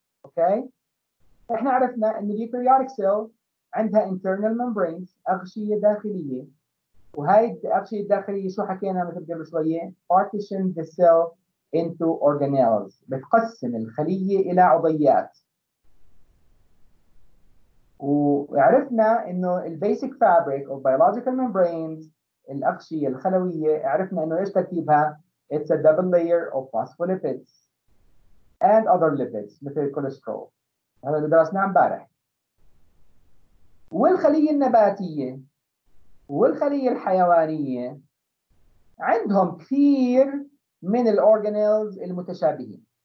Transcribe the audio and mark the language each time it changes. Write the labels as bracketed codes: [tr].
[ar] أوكي؟ إحنا عرفنا أن الـ eukaryotic cell عندها internal membranes، أغشية داخلية، وهاي الأغشية الداخلية شو حكينا مثل قبل شوية، [en] partition the cell into organelles، [ar] بتقسم الخلية إلى عضيات. وعرفنا إنه [en] the basic fabric of biological membranes، [ar] الأغشية الخلوية، عرفنا إنه إيش تركيبها، [en] it's a double layer of phospholipids and other lipids [ar] مثل الكوليسترول، هذا اللي درسناه امبارح. والخلية النباتية والخلية الحيوانية عندهم كثير من الأورجانيلز المتشابهين.